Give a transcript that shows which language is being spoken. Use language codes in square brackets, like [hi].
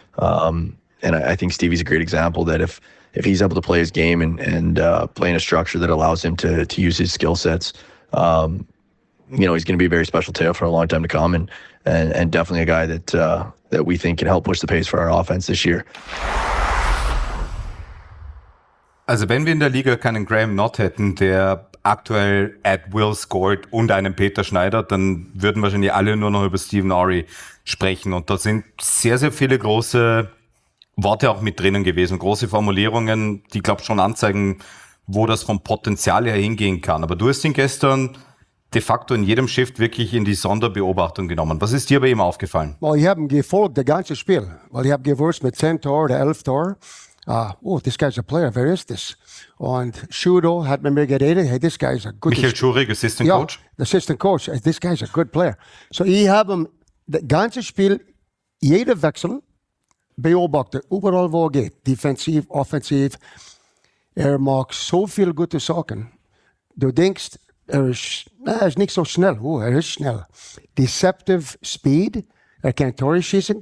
[en] I think Stevie's a great example that if he's able to play his game and play in a structure that allows him to use his skill sets, he's going to be a very special tail for a long time to come and definitely a guy that we think can help push the pace for our offense this year. [de] Also wenn wir in der Liga keinen Graham Nott hätten, der aktuell Ed Wills Gold und einem Peter Schneider, dann würden wahrscheinlich alle nur noch über Stephen Ury sprechen. Und da sind sehr, sehr viele große Worte auch mit drinnen gewesen, große Formulierungen, die, glaube ich, schon anzeigen, wo das vom Potenzial her hingehen kann. Aber du hast ihn gestern de facto in jedem Shift wirklich in die Sonderbeobachtung genommen. Was ist dir bei ihm aufgefallen? Well, ich habe ihn gefolgt, das ganze Spiel. Weil ich habe gewusst, mit 10 Tor oder 11 Tor, [en] this guy's a player, where is this? [de] Und Schudo hat mit mir geredet, [en] hey, this guy's a good Michael Schurig, Assistant Coach. Ja, Assistant Coach, this guy's a good player. [de] So ich habe ihn das ganze Spiel, jeder Wechsel, beobachtet, überall wo er geht, defensiv, offensiv. Er mag so viel gute Sachen. Du denkst, er ist nicht so schnell. Oh, er ist schnell. [en] Deceptive speed. [de] Er kann Tore schießen.